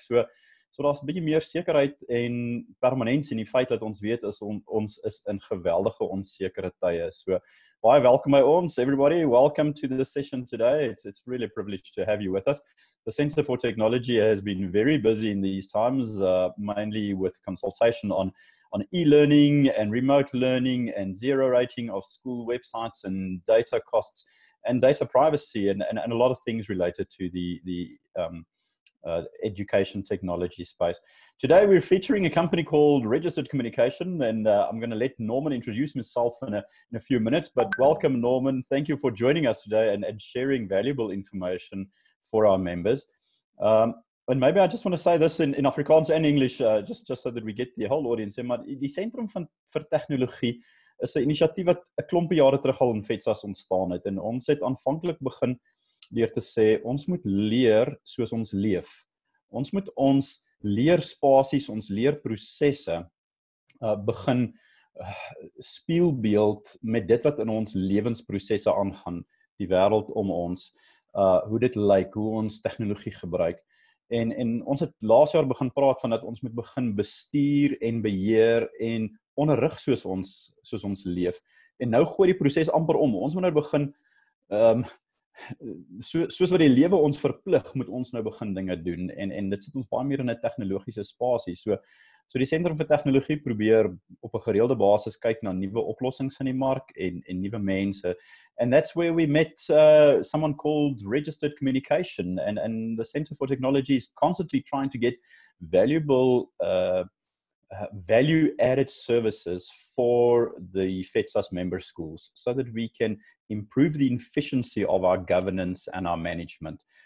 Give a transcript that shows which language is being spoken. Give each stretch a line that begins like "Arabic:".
Afrikaans: So daar is een beetje meer zekerheid en permanentie in die feit dat ons weet is, ons is in geweldige onzekere tye. So, baie welkom by ons,
English: everybody. Welcome to the session today. It's really a privilege to have you with us. The Center for Technology has been very busy in these times, mainly with consultation on e-learning and remote learning and zero rating of school websites and data costs and data privacy and a lot of things related to the education technology space. Today we're featuring a company called Registered Communication, and I'm going to let Norman introduce himself in a few minutes. But welcome, Norman. Thank you for joining us today and sharing valuable information for our members. And maybe I just want to say this in Afrikaans and English, just so that we get the whole audience in.
Afrikaans: Maar die Sentrum vir Tegnologie is 'n initiatief wat 'n klompe jare terug al in FEDSAS ontstaan het, en ons het aanvanklik begin leer te sê, ons moet leer soos ons leef. Ons moet ons leerspasies, ons leerprosesse begin speelbeeld met dit wat in ons lewensprosesse aangaan, die wêreld om ons, hoe dit lyk, hoe ons tegnologie gebruik. En ons het laas jaar begin praat van dat ons moet begin bestuur en beheer en onderrig soos ons leef. En nou gooi die proses amper om. Ons moet nou begin soos wat die lewe ons verplig, moet ons nou begin dinge doen, en dit sit ons baie meer in 'n tegnologiese spasie. So die Sentrum vir Tegnologie probeer op 'n gereelde basis kyk na nuwe oplossings in die mark en nuwe mense.
English: And that's where we met someone called Registered Communication, and the Center for Technology is constantly trying to get valuable value-added services for the FEDSAS member schools so that we can improve the efficiency of our governance and our management.